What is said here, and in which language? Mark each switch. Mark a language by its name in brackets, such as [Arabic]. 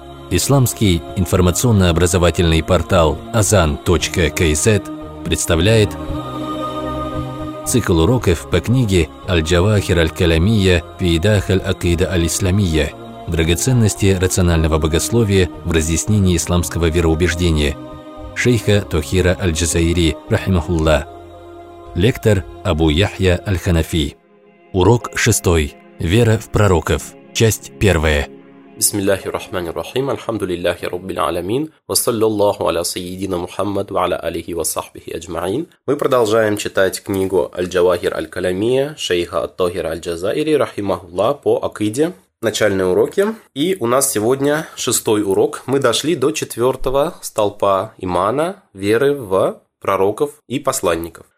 [Russian] Исламский информационно-образовательный портал azan.kz представляет цикл уроков по книге «Аль-Джавахир аль-Калямия фиидах аль-Акида аль-Исламия» «Драгоценности рационального богословия в разъяснении исламского вероубеждения» шейха Тохира аль-Джазаири, рахимахулла. Лектор Абу Яхья аль-Ханафи. Урок 6. Вера в пророков. Часть 1. [Arabic] بسم الله الرحمن الرحيم الحمد لله رب العالمين وصلى الله على سيدنا محمد وعلى آله وصحبه أجمعين. [Russian] Мы продолжаем читать книгу Аль-Джавахир аль-Калямия шейха ат-Тохир аль-Джазаири рахимахулла по акиде. Начальные уроки. И у нас сегодня 6-й урок. Мы дошли до 4-го столпа имана, веры в пророков и посланников.